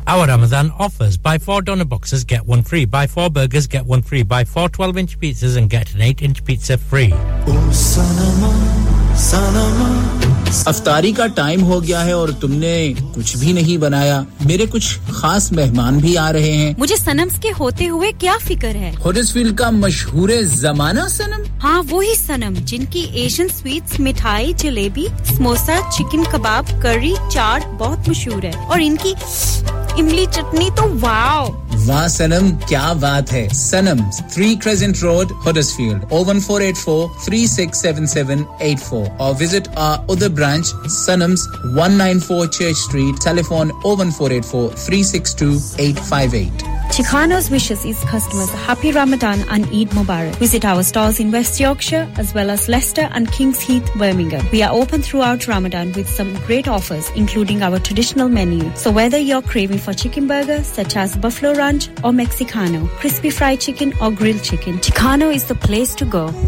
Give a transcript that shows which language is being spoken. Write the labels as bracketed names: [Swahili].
[English] Our Ramadan offers, buy 4 donor boxes, get 1 free. Buy 4 burgers, get 1 free. Buy 4 12-inch pizzas and get an 8-inch pizza free. Oh, Sanama, Sanama. [Hindi] अफ्तारी का time हो गया है और तुमने कुछ भी नहीं बनाया मेरे कुछ खास मेहमान भी आ रहे हैं मुझे सनम्स के होते हुए क्या फिकर है हडर्सफील्ड का मशहूर जमाना सनम हाँ वो ही सनम जिनकी एशियन स्वीट्स मिठाई जलेबी समोसा चिकन कबाब करी चाट बहुत मशहूर है और इनकी इमली चटनी तो वाव वाह सनम क्या बात है सनम 3 क्रेसेंट रोड हडर्सफील्ड 01484-367784 [English] और visit our other branch [Hindi] सनम्स 194 church street telephone 01484-362-858 [English] Chicanos wishes its customers a happy Ramadan and Eid Mubarak. Visit our stores in West Yorkshire as well as Leicester and King's Heath, Birmingham. We are open throughout Ramadan with some great offers, including our traditional menu. So whether you're craving for chicken burgers such as Buffalo Ranch or Mexicano, crispy fried chicken or grilled chicken, Chicano is the place to go.